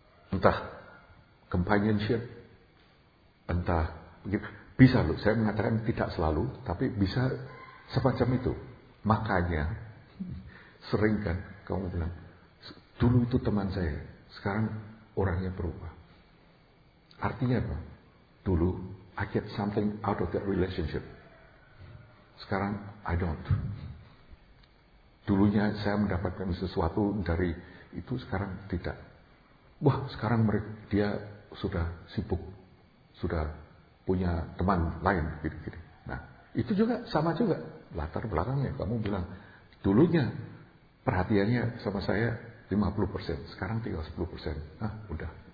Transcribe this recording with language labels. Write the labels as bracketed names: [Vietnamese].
[Indonesian] Entah companionship, entah bisa loh, saya mengatakan tidak selalu, tapi bisa semacam itu. Makanya sering kan kamu bilang, dulu itu teman saya, sekarang orangnya berubah. Artinya apa? Dulu, [English] I get something out of that relationship. [Indonesian] Sekarang, [English] I don't. [Indonesian] Dulunya, saya mendapatkan sesuatu dari itu, sekarang tidak. Wah, sekarang dia sudah sibuk. Sudah punya teman lain, gini-gini. Nah, itu juga, sama juga. Latar belakangnya, kamu bilang, dulunya perhatiannya sama saya 50%, sekarang tinggal 10%. Ah, udah.